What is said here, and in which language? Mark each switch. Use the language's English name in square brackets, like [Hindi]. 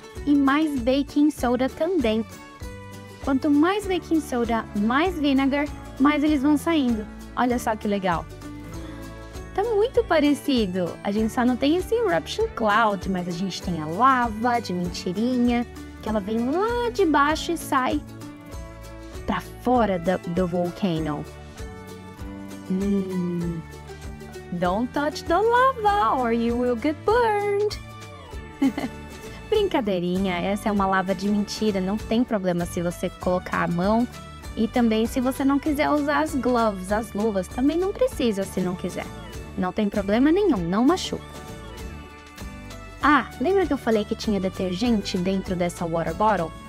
[Portuguese] E mais baking soda também. Quanto mais baking soda, mais vinegar, mais eles vão saindo. Olha só que legal. Tá muito parecido. A gente só não tem esse eruption cloud, mas a gente tem a lava de mentirinha, que ela vem lá de baixo e sai pra fora do volcano. [English] Don't touch the lava or you will get burned. [Portuguese] Brincadeirinha, essa é uma lava de mentira. Não tem problema se você colocar a mão. E também se você não quiser usar as gloves, as luvas, também não precisa se não quiser. Não tem problema nenhum, não machuca. Ah, lembra que eu falei que tinha detergente dentro dessa water bottle?